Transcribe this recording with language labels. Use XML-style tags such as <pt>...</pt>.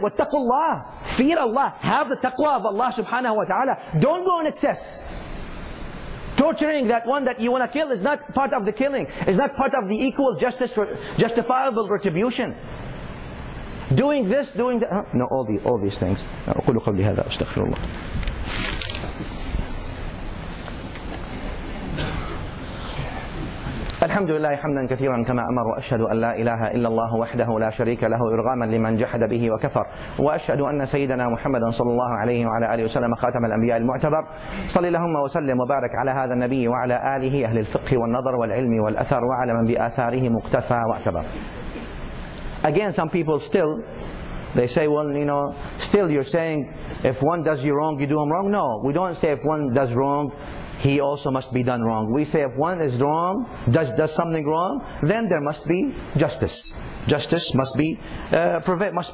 <ar>وَاتَّقُوا اللَّهِ,</ar> <en>fear Allah. Have the taqwa of Allah subhanahu wa ta'ala. Don't go in excess. Torturing that one that you want to kill is not part of the killing. It's not part of the equal justice, justifiable retribution. Doing this, doing that, no, all these things.</en> <ar>أقول قبلي هذا أستغفر الله. الحمد لله حمدا كثيرا كما أمر وأشهد أن لا إله إلا الله وحده لا شريك له إرغاما لمن جحد به وكفر وأشهد أن سيدنا محمدا صلى الله عليه وعلى آله وسلم خاتم الأنبياء المعتبر صلي اللهم وسلم وبارك على هذا النبي وعلى آله أهل الفقه والنظر والعلم والأثر وعلى من بآثاره مقتفى واعتبر.</ar> <en>Again, some people still, they say, well, you know, still you're saying, if one does you wrong, you do him wrong. No, we don't say if one does wrong, he also must be done wrong. We say if one is wrong, does something wrong, then there must be justice. Justice must be prevail.</en>